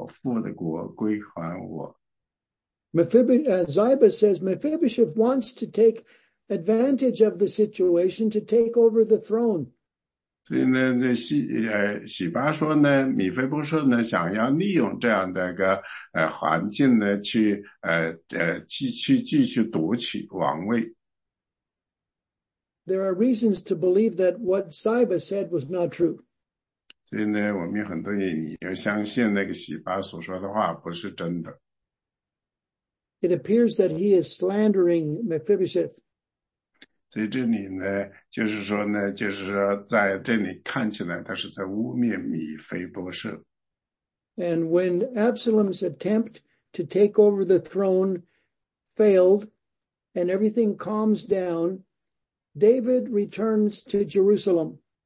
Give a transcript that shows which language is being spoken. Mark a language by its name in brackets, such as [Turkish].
[Chinese] 这个里面呢，就是撒母耳记下第16章第3节说呢，王说：“你主人的儿子在哪里呢？”洗巴回答王说：“看哪，他仍在耶路撒冷，因他说：以色列人今日必将我父的国归还我。” [English] Ziba says Mephibosheth wants to take advantage of the situation to take over the throne. [Chinese] 所以呢，这洗巴说呢，米菲波设呢，想要利用这样的一个环境呢，去继续夺取王位。 [English] There are reasons to believe that what Ziba said was not true. [Chinese] 所以呢，我们有很多人也相信那个洗巴所说的话不是真的。 [English] It appears that he is slandering Mephibosheth. [Chinese] 所以这里呢，就是说呢，就是说在这里看起来他是在污蔑米菲波设。 [English] And when Absalom's attempt to take over the throne failed and everything calms down, David returns to Jerusalem.